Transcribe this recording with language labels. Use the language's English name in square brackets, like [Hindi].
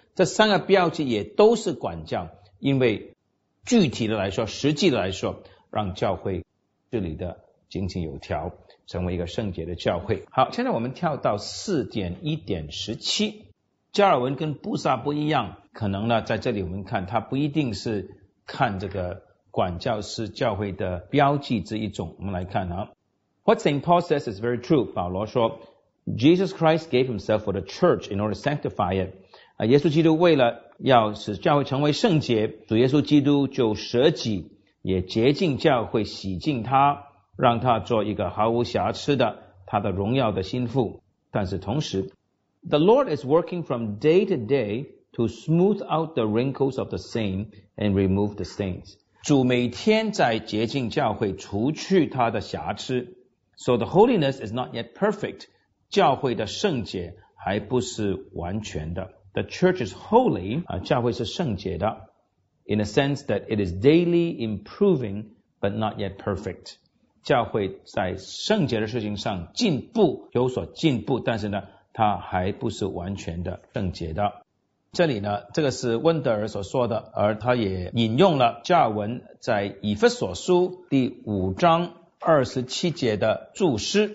[Chinese] 这三个标记也都是管教，因为具体的来说，实际的来说，让教会治理的井井有条，成为一个圣洁的教会。好，现在我们跳到 4.1.17。加尔文跟布萨不一样，可能呢在这里我们看他不一定是看这个管教是教会的标记之一种。我们来看啊， [English] What St. Paul says is very true. [Chinese] 保罗说 [English] Jesus Christ gave himself for the church in order to sanctify it. [Chinese] 耶稣基督为了要使教会成为圣洁，主耶稣基督就舍己，也洁净教会，洗净他，让他做一个毫无瑕疵的他的荣耀的心腹。但是同时， [English] The Lord is working from day to day to smooth out the wrinkles of the sin and remove the stains. [Chinese] 主每天在洁净教会，除去他的瑕疵。 [English] So the holiness is not yet perfect. [Chinese] 教会的圣洁还不是完全的。 [English] The church is holy. [Chinese] 教会是圣洁的。 [English] In a sense that it is daily improving but not yet perfect. [Chinese] 教会在圣洁的事情上进步，有所进步，但是呢它还不是完全的圣洁的。这里呢，这个是温德尔所说的，而他也引用了加尔文在以弗所书第5:27的注释。